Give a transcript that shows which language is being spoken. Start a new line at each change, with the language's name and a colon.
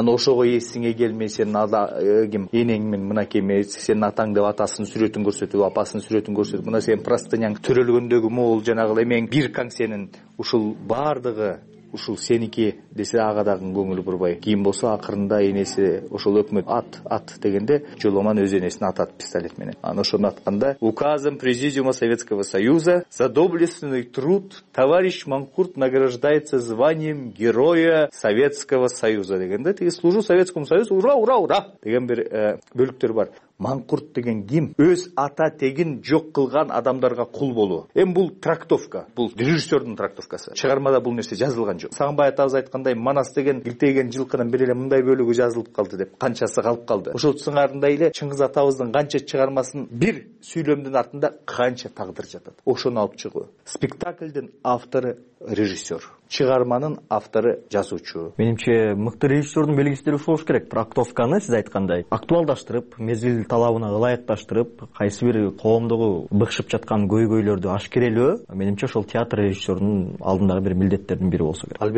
Kyrgyz: Анан ошого эсиңе келмей, сенин ким энең мен мынакей эмес, сенин атаң деп атасынын сүрөтүн көрсөтүп, апасынын сүрөтүн көрсөтүп, мына сенин простыняң төрөлгөндө мол жанагыл эмең бир каң сенин, ушул баардыгы ушул сеники десе ага дагы көңүл бурбай. Кийин болсо акырында энеси ошол өкмөт ат ат дегенде Жоломан өз энесин атат пистолет менен. Анан ошону атканда
Russian: указом президиума Советского Союза за доблестный труд товарищ Манкурт награждается званием Героя Советского Союза
Kyrgyz: дегенде тиги
Russian: служу Советскому Союзу, ура ура ура
Kyrgyz: деген бир бөлүктөр бар. Манкурт деген ким? Өз ата тегин жок кылган адамдарга кул болуу. Эми бул трактовка, бул режиссердун трактовкасы. Чыгармада бул нерсе жазылган жок. Сагынбай атабыз айткандай, Манас деген илтеген жылкынын бир эле мындай бөлүгү жазылып калды деп, канчасы калып калды. Ошол сыңарындай эле Чыңгыз атабыздын канча чыгармасын бир сүйлөмдүн артында канча тагдыр жатат. Ошону алып чыгуу. Спектакльдин автору режиссер. Чыгарманын автору жазуучу. Менимче мыкты режиссердун белгисилери ушул болуш керек. Трактовканы сиз айткандай актуалдаштырып, мезгил талабына ылайыкташтырып, кайсы бир коомдогу быкшып жаткан көйгөйлөрдү ашкерелөө менимче ошол театр режиссерунун алдындагы бир милдеттердин бири болсо керек.